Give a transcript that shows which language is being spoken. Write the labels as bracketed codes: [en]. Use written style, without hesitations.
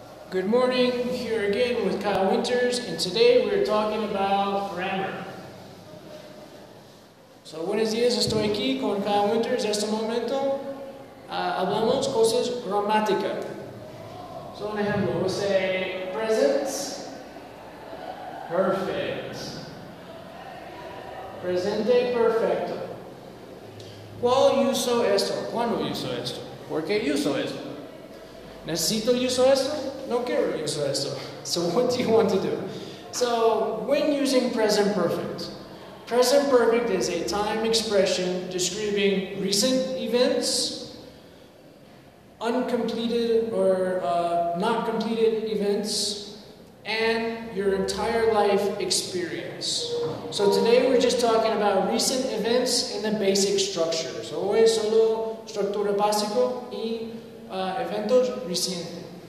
[en] Good morning, here again with Kyle Winters, and today we're talking about grammar. [es] So buenos días, estoy aquí con Kyle Winters. En este momento hablamos cosas gramática. [en] So [es] un ejemplo, [en] we'll say present, perfect. [es] Presente perfecto. ¿Cuál uso esto? ¿Cuándo uso esto? ¿Por qué uso esto? ¿Necesito uso esto? No quiero uso esto. [en] So what do you want to do? So when using present perfect, present perfect is a time expression describing recent events, uncompleted or not completed events, and your entire life experience. So today we're just talking about recent events and the basic structure. [es] So hoy solo estructura básica y eventos recientes.